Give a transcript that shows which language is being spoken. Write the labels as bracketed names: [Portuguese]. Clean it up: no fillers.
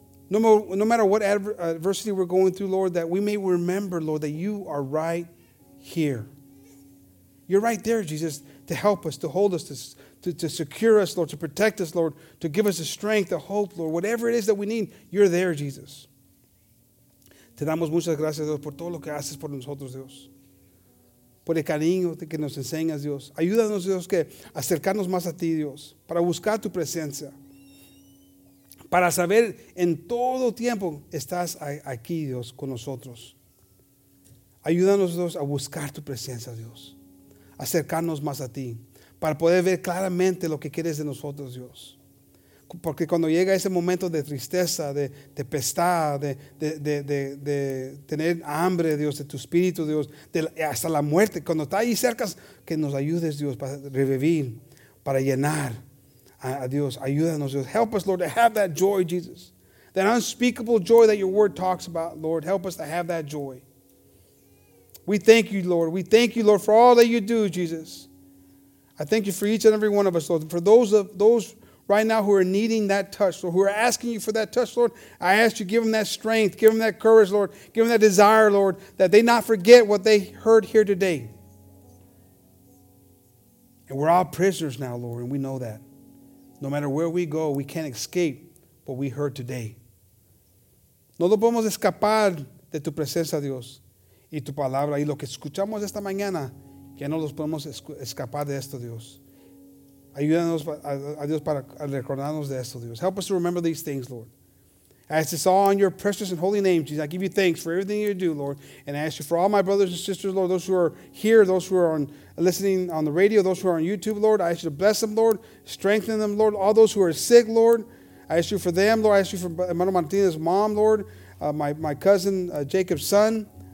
[English] No matter what adversity we're going through, Lord, that we may remember, Lord, that You are right here. You're right there, Jesus, to help us, to hold us, to secure us, Lord, to protect us, Lord, to give us the strength, the hope, Lord, whatever it is that we need, You're there, Jesus. [Spanish] Te damos muchas gracias, Dios, por todo lo que haces por nosotros, Dios. Por el cariño que nos enseñas, Dios. Ayúdanos, Dios, que acercarnos más a Ti, Dios, para buscar Tu presencia. Para saber en todo tiempo estás aquí, Dios, con nosotros. Ayúdanos, Dios, a buscar tu presencia, Dios. Acercarnos más a ti. Para poder ver claramente lo que quieres de nosotros, Dios. Porque cuando llega ese momento de tristeza, de tempestad, de tener hambre, Dios, de tu espíritu, Dios, hasta la muerte, cuando está ahí cerca, que nos ayudes, Dios, para revivir, para llenar a Dios. Ayúdanos, Dios. [English] Help us, Lord, to have that joy, Jesus. That unspeakable joy that your word talks about, Lord. Help us to have that joy. We thank you, Lord. We thank you, Lord, for all that you do, Jesus. I thank you for each and every one of us, Lord. For those right now who are needing that touch, Lord, who are asking you for that touch, Lord, I ask you, give them that strength, give them that courage, Lord, give them that desire, Lord, that they not forget what they heard here today. And we're all prisoners now, Lord, and we know that. No matter where we go, we can't escape what we heard today. [Spanish] No lo podemos escapar de tu presencia, Dios, y tu palabra, y lo que escuchamos esta mañana, ya no los podemos escapar de esto, Dios. Ayúdanos a Dios para recordarnos de esto, Dios. [English] Help us to remember these things, Lord. I ask this all in your precious and holy name, Jesus. I give you thanks for everything you do, Lord. And I ask you for all my brothers and sisters, Lord, those who are here, those who are listening on the radio, those who are on YouTube, Lord. I ask you to bless them, Lord. Strengthen them, Lord. All those who are sick, Lord. I ask you for them, Lord. I ask you for Mano Martinez's mom, Lord. My cousin, Jacob's son.